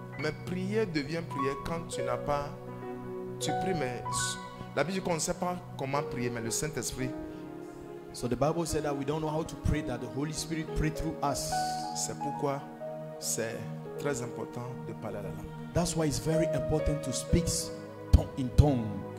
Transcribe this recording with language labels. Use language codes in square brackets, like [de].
[fr] Mais prier devient prier quand tu n'as pas. Tu pries, mais la Bible dit qu'on ne sait pas comment prier, mais le Saint-Esprit. [en] So the Bible said that we don't know how to pray, that the Holy Spirit pray through us. [fr] C'est pourquoi c'est très important de parler la langue. [en] That's why it's very important to speak in tongue.